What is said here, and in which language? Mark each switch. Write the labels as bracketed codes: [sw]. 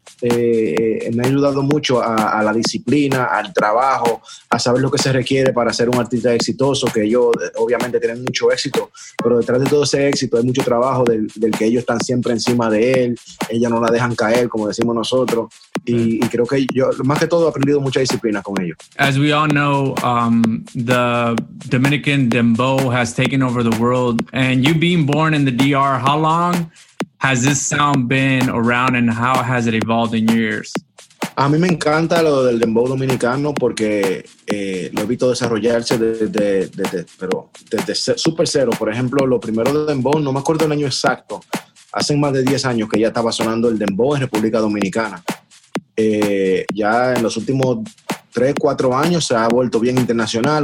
[es] Me ha ayudado mucho a la disciplina, al trabajo, a saber lo que se requiere para ser un artista exitoso, que ellos obviamente tienen mucho éxito, pero detrás de todo ese éxito hay mucho trabajo del que ellos están siempre encima de él, ellos no la dejan caer, como decimos nosotros, y creo que yo, más que todo, he aprendido mucha disciplina con ellos. [en] As we all know, the Dominican Dembow has taken over the world, and you being born in the DR, how long has this sound been around and how has it evolved in years? [es] A mí me encanta lo del dembow dominicano porque lo he visto desarrollarse desde super cero. Por ejemplo, lo primero de dembow, no me acuerdo el año exacto, hace más de 10 años que ya estaba sonando el dembow en República Dominicana. Ya en los últimos 3-4 años se ha vuelto bien internacional.